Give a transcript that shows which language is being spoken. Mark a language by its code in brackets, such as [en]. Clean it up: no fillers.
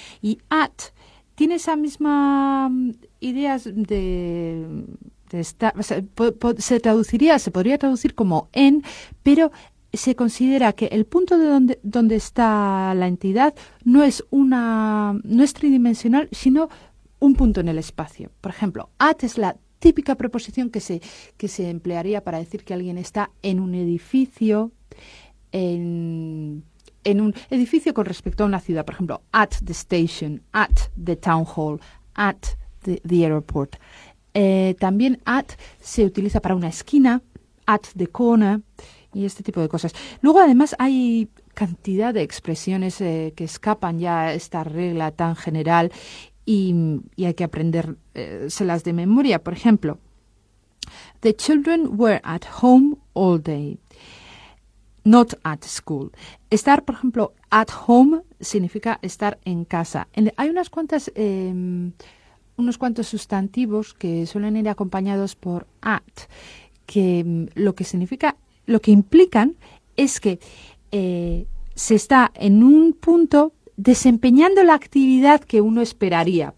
[es] Y at tiene esa misma idea de estar, o sea, se podría traducir como en, pero se considera que el punto de donde está la entidad no es tridimensional, sino un punto en el espacio. Por ejemplo, at es la típica preposición que se emplearía para decir que alguien está en un edificio, en un edificio con respecto a una ciudad. Por ejemplo, [en] at the station, at the town hall, at the airport. [es] También at se utiliza para una esquina, [en] at the corner, [es] y este tipo de cosas. Luego, además, hay cantidad de expresiones que escapan ya a esta regla tan general. Y hay que aprendérselas de memoria. Por ejemplo, [en] the children were at home all day, not at school. [es] Estar, por ejemplo, [en] at home [es] significa estar en casa. Hay unos cuantos sustantivos que suelen ir acompañados por at, que lo que significa, lo que implican es que se está en un punto desempeñando la actividad que uno esperaría.